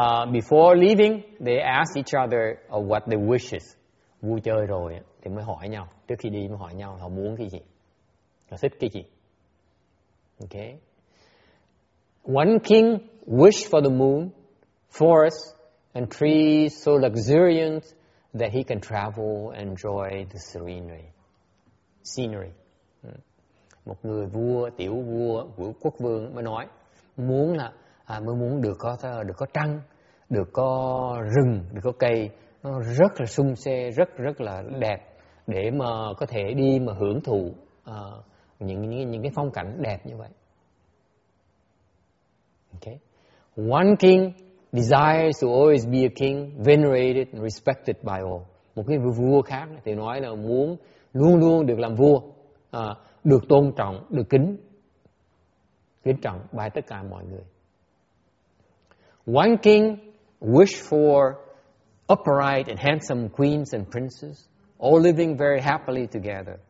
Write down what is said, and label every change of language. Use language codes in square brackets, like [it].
[en] Before leaving, they ask each other what their wishes. [vi] Vui chơi rồi thì mới hỏi nhau. Trước khi đi mới hỏi nhau họ muốn cái gì, họ thích cái gì. [en] Okay. One king wished for the moon, forest, and trees so luxuriant that he can travel and enjoy the scenery. [vi] Một người vua, tiểu vua, vua quốc vương mới nói muốn là mới muốn được có trăng, được có rừng, được có cây, nó rất là sung xê, rất rất là đẹp để mà có thể đi mà hưởng thụ những cái phong cảnh đẹp như vậy. Okay. [en] One king desires to always be a king, venerated and respected by all. [vi] Một cái vua khác thì nói là muốn luôn luôn được làm vua, được tôn trọng, được kính trọng by tất cả mọi người. [en] One king wished for upright and handsome queens and princes, all living very happily together.